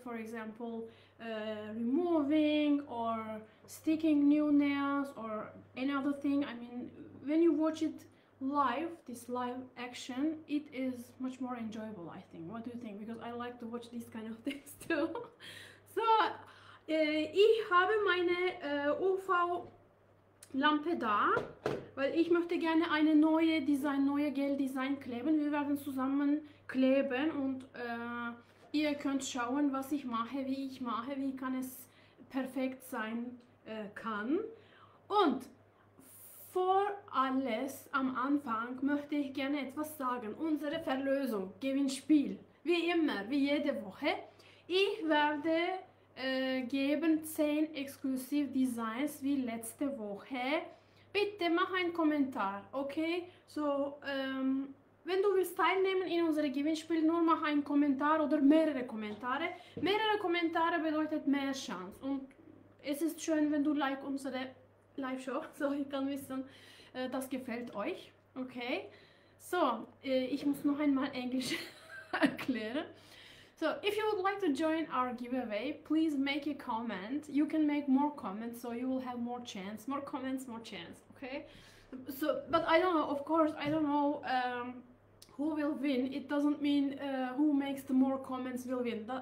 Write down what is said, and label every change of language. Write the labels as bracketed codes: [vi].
[en] For example, removing or sticking new nails or any other thing. I mean, when you watch it live, this live action, it is much more enjoyable, I think. What do you think? Because I like to watch these kind of things too. [de] So, ich habe meine UV Lampe da, weil ich möchte gerne eine neue Gel-Design kleben. Wir werden zusammen kleben und ihr könnt schauen, was ich mache, wie ich mache, wie kann es perfekt sein kann. Und vor alles am Anfang möchte ich gerne etwas sagen. Unsere Verlosung, Gewinnspiel, wie immer, wie jede Woche. Ich werde geben 10 Exklusiv-Designs wie letzte Woche. Bitte mach einen Kommentar, okay? So, wenn du willst teilnehmen in unserem Gewinnspiel, nur mach einen Kommentar oder mehrere Kommentare. Mehrere Kommentare bedeutet mehr Chance. Und es ist schön, wenn du like unsere Live-Show, so ich kann wissen, das gefällt euch, okay? So, ich muss noch einmal Englisch erklären. [en] So, if you would like to join our giveaway, please make a comment. You can make more comments, so you will have more chance. More comments, more chance. Okay? So, but I don't know. Of course, I don't know who will win. It doesn't mean who makes the more comments will win.